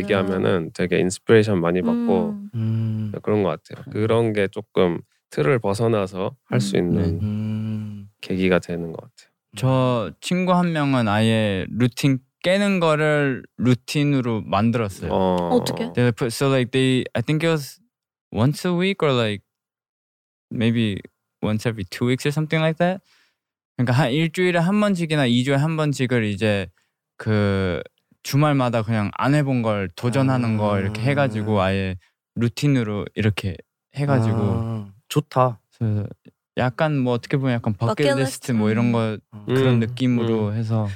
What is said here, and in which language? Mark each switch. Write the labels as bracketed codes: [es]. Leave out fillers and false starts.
[ko] 얘기하면은 되게 인스피레이션 많이 받고 그런 것 같아요. 그런 게 조금 틀을 벗어나서 할 수 있는 계기가 되는 것 같아요. 저 친구 한 명은 아예 루틴 깨는 거를 루틴으로 만들었어요. 어떻게? [en] They put, so like they, I think it was once a week or like maybe once every 2 weeks or something like that. [ko] 그러니까 한 일주일에 한 번씩이나 2주에 한 번씩을 이제 그 주말마다 그냥 안 해본 걸 도전하는 거 이렇게 해가지고 아예 루틴으로 이렇게 해가지고 좋다. 약간 뭐 어떻게 보면 약간 버킷리스트 뭐 이런 거 그런 느낌으로 해서